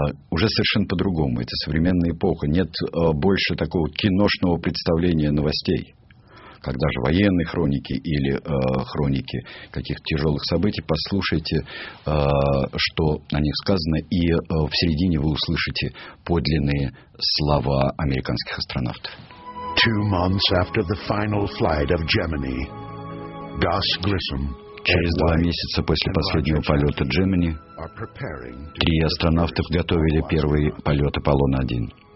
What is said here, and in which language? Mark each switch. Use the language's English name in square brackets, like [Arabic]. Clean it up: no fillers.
[Russian] Уже совершенно по-другому. Это современная эпоха. Нет больше такого киношного представления новостей, тогда же военной хроники или хроники каких-то тяжелых событий, послушайте, что о них сказано, и в середине вы услышите подлинные слова американских астронавтов. [English] 2 months after the final flight of Gemini, Gus Grissom. [Russian] Через 2 месяца после последнего полета Gemini 3 астронавта готовили первый полет Аполлона-1.